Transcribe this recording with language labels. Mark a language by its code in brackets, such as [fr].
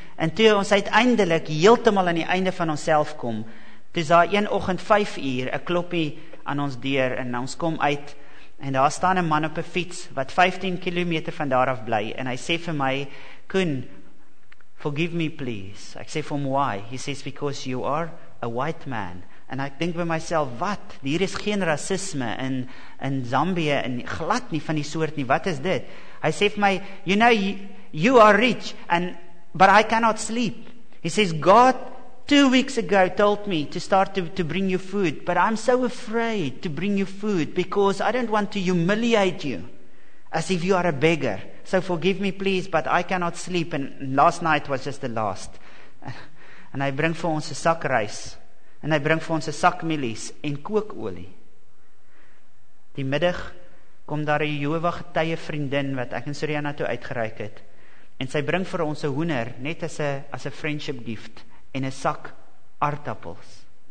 [af] En toe ons uiteindelik heeltemal aan die einde van onsself kom, toe is daar een oggend 5 uur, 'n kloppie aan ons deur en ons kom uit en daar staan 'n man op 'n fiets wat 15 kilometer van daar af bly en hy sê vir my, Koen, [en] forgive me please. [af] Ek sê vir hom, [en] why? He says, because you are a white man. [af] En ek dink by myself, wat? Hier is geen rasisme in Zambië, en glad nie van die soort nie, wat is dit? Hy sê vir my, [en] you know, you are rich, and but I cannot sleep. He says, God 2 weeks ago told me to start to bring you food, but I'm so afraid to bring you food, because I don't want to humiliate you, as if you are a beggar. So forgive me please, but I cannot sleep, and last night was just the last. [af] En hy bring vir ons 'n sak rys, en hy bring vir ons 'n sak mielies en kookolie. Die middag kom daar 'n Jehova getuie vriendin wat ek en Suriana toe uitgereik het. En sy bring vir ons 'n hoender net as 'n friendship gift en 'n sak aardappels.